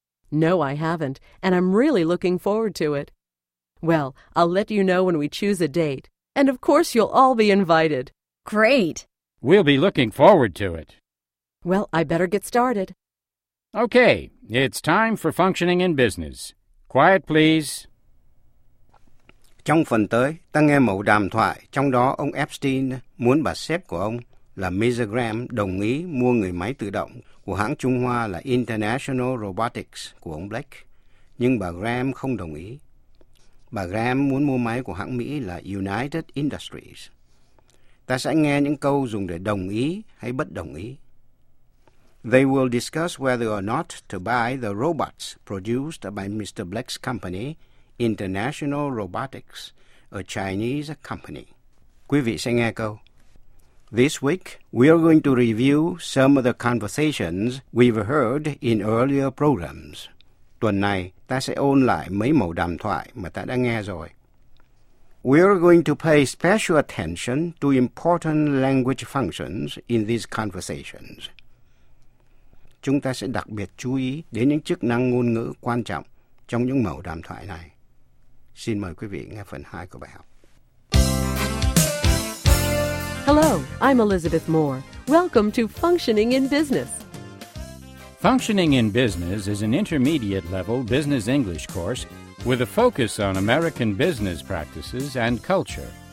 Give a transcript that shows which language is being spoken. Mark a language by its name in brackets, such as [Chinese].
[English] No, I haven't, and I'm really looking forward to it. Well, I'll let you know when we choose a date, and of course you'll all be invited. Great! We'll be looking forward to it. Well, I better get started. Okay, it's time for functioning in business. Quiet, please. [Vietnamese] Trong phần tới, ta nghe mẫu đàm thoại, trong đó ông Epstein muốn bà sếp của ông là Mrs. Graham đồng ý mua người máy tự động của hãng Trung Hoa là International Robotics của ông Blake. Nhưng bà Graham không đồng ý. Bà Graham muốn mua máy của hãng Mỹ là United Industries. Ta sẽ nghe những câu dùng để đồng ý hay bất đồng ý. [English] They will discuss whether or not to buy the robots produced by Mr. Black's company, International Robotics, a Chinese company. [Vietnamese] Quý vị sẽ nghe câu. [English] This week, we are going to review some of the conversations we've heard in earlier programs. [Vietnamese] Tuần này, ta sẽ ôn lại mấy mẫu đàm thoại mà ta đã nghe rồi. [English] We are going to pay special attention to important language functions in these conversations. [Vietnamese] chúng ta sẽ đặc biệt chú ý đến những chức năng ngôn ngữ quan trọng trong những mẫu đàm thoại này. Xin mời quý vị nghe phần 2 của bài học. [English] Hello, I'm Elizabeth Moore. Welcome to Functioning in Business. Functioning in Business is an intermediate-level business English course with a focus on American business practices and culture.